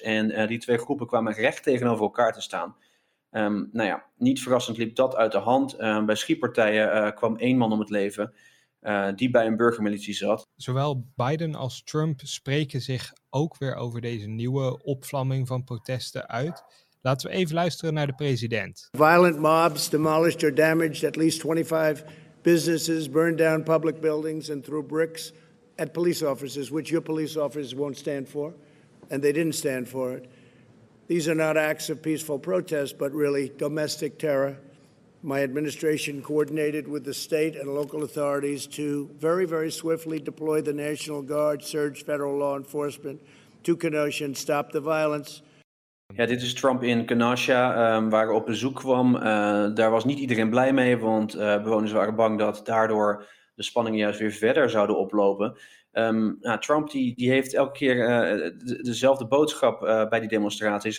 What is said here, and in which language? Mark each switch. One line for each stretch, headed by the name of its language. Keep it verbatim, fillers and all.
Dutch: En uh, die twee groepen kwamen recht tegenover elkaar te staan. Um, nou ja, niet verrassend liep dat uit de hand. Uh, bij schietpartijen uh, kwam één man om het leven, Uh, die bij een burgermilitie zat. Zowel Biden als Trump spreken zich ook weer over deze nieuwe opvlamming van protesten uit. Laten we even luisteren naar de president.
English: Violent mobs demolished or damaged at least twenty-five businesses, burned down public buildings and threw bricks at police officers, which your police officers won't stand for, and they didn't stand for it. These are not acts of peaceful protest, but really domestic terror. My administration coordinated with the state and local authorities to very, very swiftly deploy the National Guard, surge federal law enforcement to Kenosha and stop the violence.
Dutch: Ja, dit is Trump in Kenosha, um, waar op bezoek kwam. Uh, daar was niet iedereen blij mee, want uh, bewoners waren bang dat daardoor de spanningen juist weer verder zouden oplopen. Um, nou, Trump die, die heeft elke keer uh, de, dezelfde boodschap uh, bij die demonstraties.